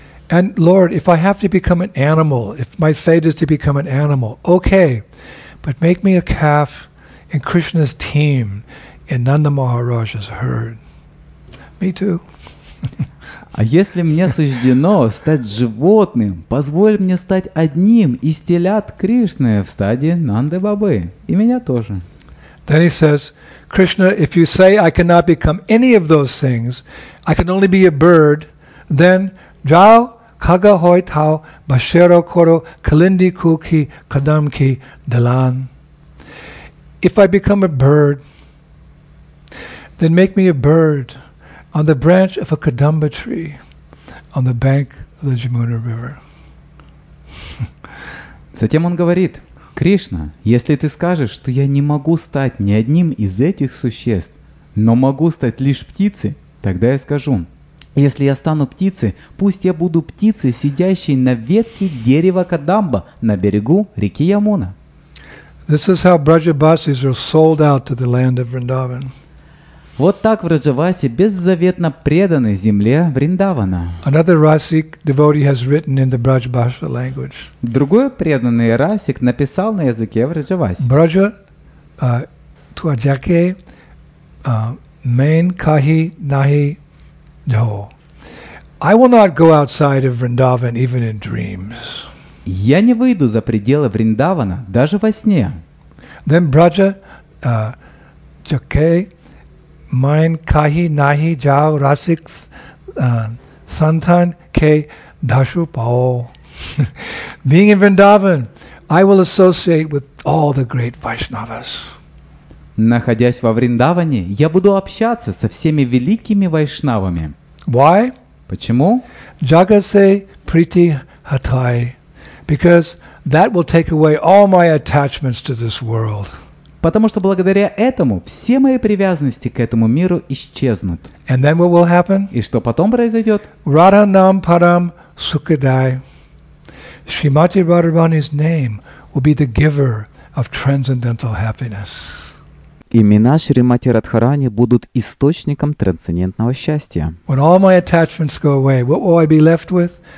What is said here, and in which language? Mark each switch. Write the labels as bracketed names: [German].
[English] And Lord, if I have to become an animal, if my fate is to become an animal, okay, but make me a calf in Krishna's team in Nanda Maharaja's herd. Me too. [Russian] А если мне суждено стать животным, позволь мне стать одним из телят Кришны в стаде Нанды Бабы. И меня тоже. [English] Then he says, Krishna, if you say I cannot become any of those things, I can only be a bird, then [Braj] Jao Kaga hoy tau bashero koro kalindi kuki kadamki dalan. [English] If I become a bird, then make me a bird on the branch of a kadamba tree on the bank of the Jamuna River. [Russian] Затем он говорит, Кришна, если ты скажешь, что я не могу стать ни одним из этих существ, но могу стать лишь птицей, тогда я скажу, если я стану птицей, пусть я буду птицей, сидящей на ветке дерева Кадамба на берегу реки Ямуна. [English] This is how Brajavasis are sold out to the land of Vrindavan. [Russian] Вот так Враджаваси беззаветно преданы земле Вриндавана. [English] Another Rasic devotee has written in the Brajabhasha language. [Russian] Другой преданный Расик написал на языке Враджаваси. [Braj] Браджа туаджаке мейн кахи нахи. [English] No, I will not go outside of Vrindavan even in dreams. [Russian] Я не выйду за пределы Вриндавана даже во сне. [Braj] Then Braja Jake Main Kahi Nahi Jao Rasik Santan Ke Dashu Pao. [English] Being in Vrindavan, I will associate with all the great Vaishnavas. [Russian] Находясь во Вриндаване, я буду общаться со всеми великими вайшнавами. [English] Why? [Russian] Почему? [Braj] Jagase priti hatai, [English] because that will take away all my attachments to this world. [Russian] Потому что благодаря этому все мои привязанности к этому миру исчезнут. [English] And then what will happen? [Russian] И что потом произойдет? [Braj] Radhanam param sukhadai. [English] Shrimati Radharani's name will be the giver of transcendental happiness. [Russian] Имена Шримати Радхарани будут источником трансцендентного счастья. [English] When all my attachments go away, what will I be left with?